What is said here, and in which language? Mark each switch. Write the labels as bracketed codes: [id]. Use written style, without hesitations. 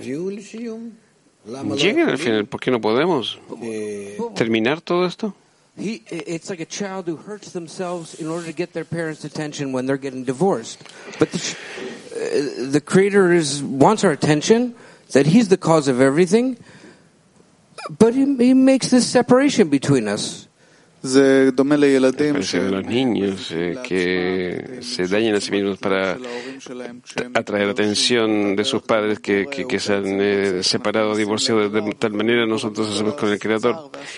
[es] Lleguen al final, ¿por qué no podemos terminar todo esto? [en] It's like a child who hurts themselves in order to get their parents' attention when they're getting divorced. But the Creator wants our attention, that He's the cause of everything, but He makes this separation between us. Se dome le ilatem [es] los niños que se dañan a sí mismos para atraer atención de sus padres que se han separado, divorciado de tal manera, nosotros hacemos con el Creador.